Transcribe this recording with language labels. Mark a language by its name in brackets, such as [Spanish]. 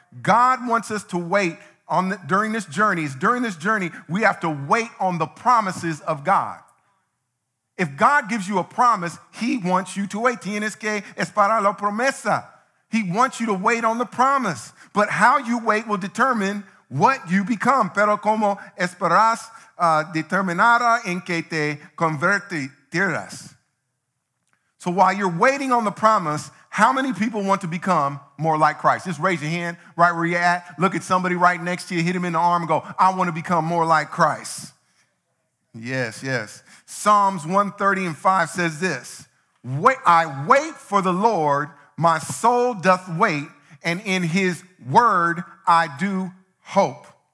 [English] God wants us to wait on during this journey. It's during this journey, we have to wait on the promises of God. If God gives you a promise, he wants you to wait. [Spanish] Tienes que esperar la promesa. [English] He wants you to wait on the promise. But how you wait will determine what you become. [Spanish] Pero como esperas determinará en que te convertirás. [English] So while you're waiting on the promise, how many people want to become more like Christ? Just raise your hand right where you're at. Look at somebody right next to you. Hit him in the arm and go, I want to become more like Christ. Yes, yes. Psalms 130 and 5 says this, I wait for the Lord, my soul doth wait, and in his word I do hope.